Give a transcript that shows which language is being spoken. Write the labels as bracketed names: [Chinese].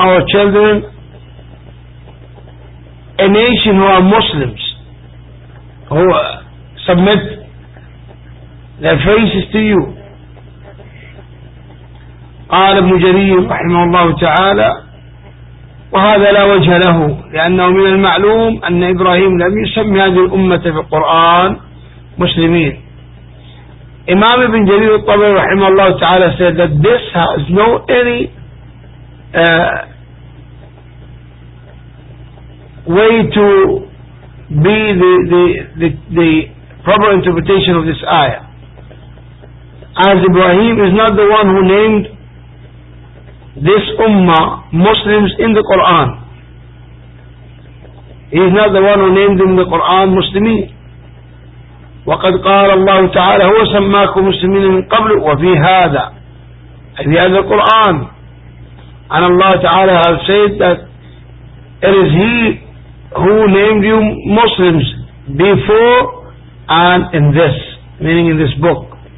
[English] children a nation who are Muslims, who submit their faces to you. [Arabic] قال ابن جرير رحمه الله تعالى وهذا لا وجه له، لأنه من المعلوم أن إبراهيم لم يسمي هذه الأمة في القرآن مسلمين. [English] إمام ابن جرير الطبري [Arabic] رحمه الله تعالى [English] said that this has no any way to be the proper interpretation of this ayah, as Ibrahim is not the one who named this ummah Muslims in the Quran. He is not the one who named them in the Quran Muslimin. [Arabic] وقد قال الله تعالى هو سماكم مسلمين من قبل وفي هذا في هذا القرآن. [English] And Allah Ta'ala has said that is he who named you Muslims before and in this, meaning in this book.